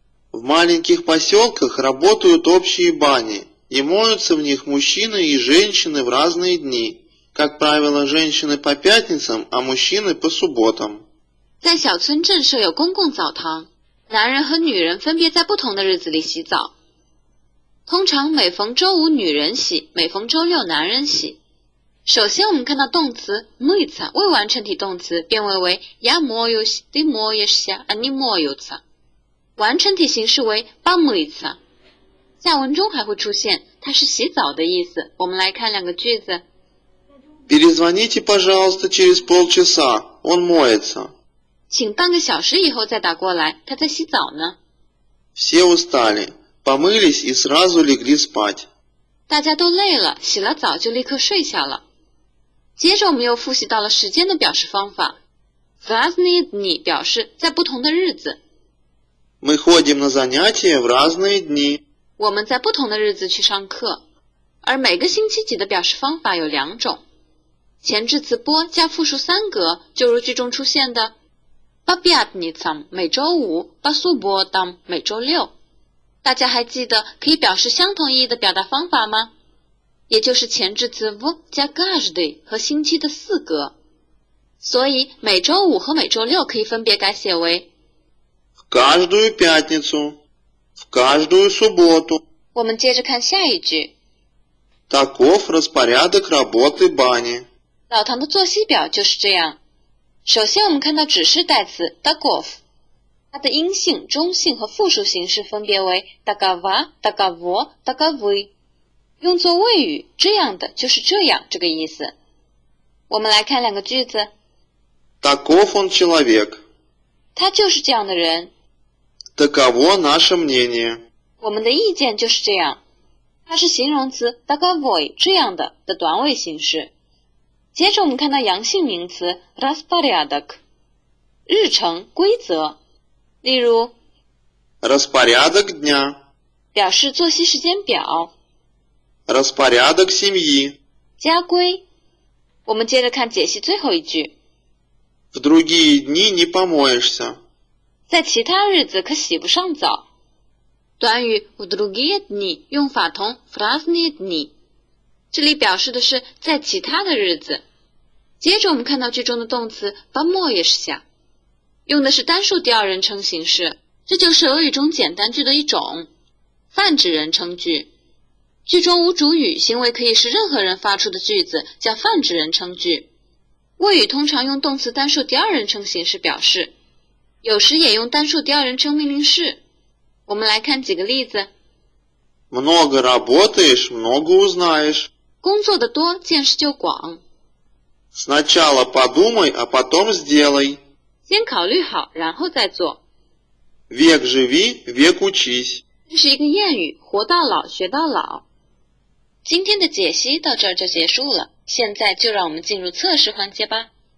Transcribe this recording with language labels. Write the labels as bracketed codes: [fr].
[ru] В маленьких поселках работают общие бани, и моются в них мужчины и женщины в разные дни. Как правило, женщины по пятницам, а мужчины по субботам. [zh] 在小村镇设有公共澡堂，男人和女人分别在不同的日子里洗澡。通常每逢周五女人洗，每逢周六男人洗。首先我们看到动词 муются 未完成体动词变为为 [ru] я моюсь, ты моешься, они моются。 [zh] 完成体形式为 помыться。下文中还会出现，它是洗澡的意思。我们来看两个句子。 [ru] Перезвоните, пожалуйста, через полчаса, он моется。 [zh] 请半个小时以后再打过来，他在洗澡呢。 [ru] Все устали, помылись и сразу легли спать。 [zh] 大家都累了，洗了澡就立刻睡下了。接着我们又复习到了时间的表示方法。 [ru] В разные дни [zh] 表示在不同的日子。 [ru] Мы ходим на занятия в разные дни。 [zh] 我们在不同的日子去上课。而每个星期几的表示方法有两种。前置词波加复数三格，就如句中出现的。 По пятницам 每周五 По субботам 每周六。大家还记得可以表示相同意义的表达方法吗？也就是前置词 в 加 каждый 和星期的四格。所以每周五和每周六可以分别改写为 [ru] в каждую пятницу, в каждую субботу。 [zh] 我们接着看下一句。 [ru] Таков распорядок работы бани。 [zh] 澡堂的作息表就是这样。首先我们看到指示代词 таков。它的阴性、中性和复数形式分别为 [ru] такова, таково, таковы。 [zh] 用作谓语，这样的就是这样这个意思。我们来看两个句子。 [ru] Таков он человек. [zh] 他就是这样的人。 [ru] Таково наше мнение. [zh] 我们的意见就是这样。它是形容词 таковой, 这样的短尾形式。接着我们看到阳性名词 распорядок, 日程、规则。例如 [ru] распорядок дня [zh] 表示作息时间表。 [ru] распорядок семьи [zh] 家规。我们接着看解析最后一句。 [ru] В другие дни не помоешься [zh] 在其他日子可洗不上澡。短语 [ru] в другие дни [zh] 用法同 [ru] в разные дни， [zh] 这里表示的是在其他的日子。接着我们看到句中的动词 помоешься，用的是单数第二人称形式，这就是俄语中简单句的一种，泛指人称句。句中无主语，行为可以是任何人发出的句子，叫泛指人称句。谓语通常用动词单数第二人称形式表示，有时也用单数第二人称命令式。我们来看几个例子。 [ru] Много работаешь, много узнаешь. [zh] 工作的多，见识就广。 [ru] Сначала подумай, а потом сделай. [zh] 先考虑好，然后再做。 [ru] Век живи, век учись。 [zh] 这是一个谚语，活到老，学到老。今天的解析到这儿就结束了，现在就让我们进入测试环节吧。